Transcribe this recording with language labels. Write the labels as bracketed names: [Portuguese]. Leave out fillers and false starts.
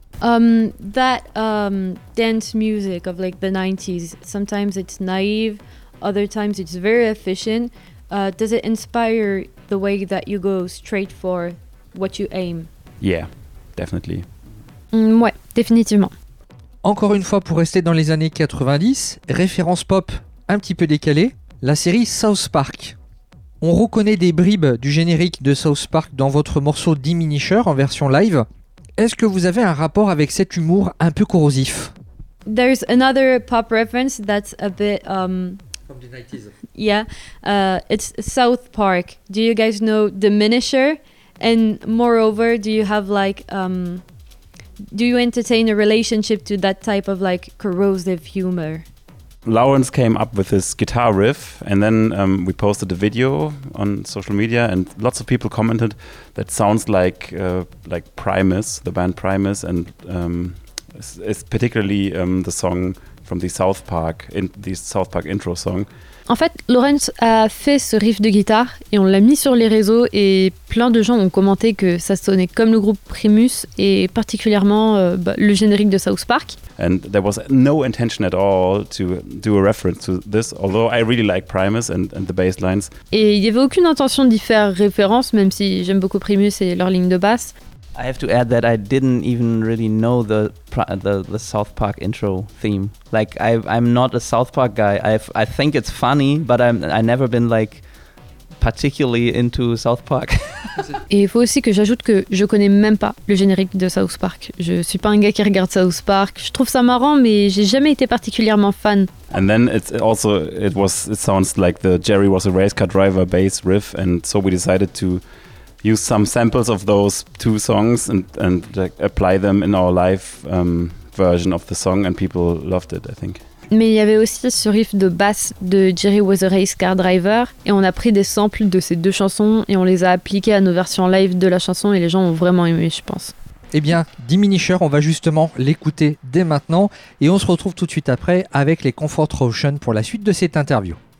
[English] That dance music of like the 90s, sometimes it's naive, other times it's very efficient. Does it inspire the way that you go straight for what you aim? Yeah, definitely. [French] Ouais, définitivement. Encore une fois, pour rester dans les années 90, référence pop un petit peu décalée, la série South Park. On reconnaît des bribes du générique de South Park dans votre morceau Diminisher en version live. Est-ce que vous avez un rapport avec cet humour un peu corrosif? [English] there's another pop reference that's a bit from the 90s. Yeah, it's South Park. Do you guys know Diminisher? And moreover, do you have like do you entertain a relationship to that type of like corrosive humor? Lawrence came up with this guitar riff, and then we posted a video on social media, and lots of people commented that sounds like Primus, the band Primus, and it's particularly the song from the South Park, in the South Park intro song. [French] En fait, Lawrence a fait ce riff de guitare et on l'a mis sur les réseaux et plein de gens ont commenté que ça sonnait comme le groupe Primus et particulièrement le générique de South Park. [English] And there was no intention at all to do a reference to this, although I really like Primus and the bass lines. [French] Et il n'y avait aucune intention d'y faire référence, même si j'aime beaucoup Primus et leur ligne de basse. [English] I have to add that I didn't even really know the South Park intro theme. Like I'm not a South Park guy. I think it's funny, but I never been like particularly into South Park. [French] Et il faut aussi que j'ajoute que je connais même pas le générique de South Park. Je suis pas un gars qui regarde South Park. Je trouve ça marrant, mais j'ai jamais été particulièrement fan. [English] And then it sounds like the Jerry was a race car driver bass riff, and so we decided to use some samples of those two songs and apply them in our live version of the song, and people loved it, I think. [French] Mais il y avait aussi ce riff de basse de Jerry Was a Race Car Driver, et on a pris des samples de ces deux chansons et on les a appliqués à nos versions live de la chanson, et les gens ont vraiment aimé, je pense. Eh bien, Diminisher, on va justement l'écouter dès maintenant, et on se retrouve tout de suite après avec les Comfort Ocean pour la suite de cette interview.